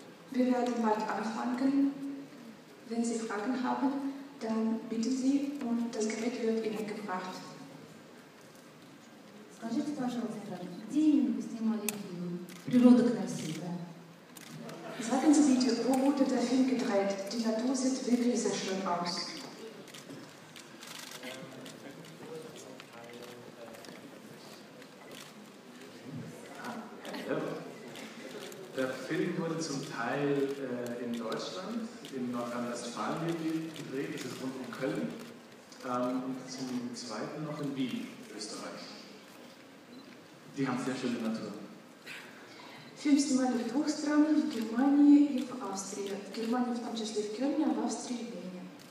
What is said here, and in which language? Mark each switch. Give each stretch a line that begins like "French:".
German: Wir werden bald anfangen. Wenn Sie Fragen haben, dann bitte Sie und das Gerät wird Ihnen gebracht.
Russian: Скажите, пожалуйста, где именно природа красивая?
German: Sagen Sie bitte, wo wurde der Film gedreht? Die Natur sieht wirklich sehr schön aus. Der Film wurde zum Teil in Deutschland, in Nordrhein-Westfalen gedreht, das ist rund um Köln, und zum zweiten noch in Wien, Österreich. Die haben sehr schöne Natur.
Russian: Film снимали в двух странах, в Германии и в Австрии. В Германии, в том числе в Кёльне, а в Австрии в Вене.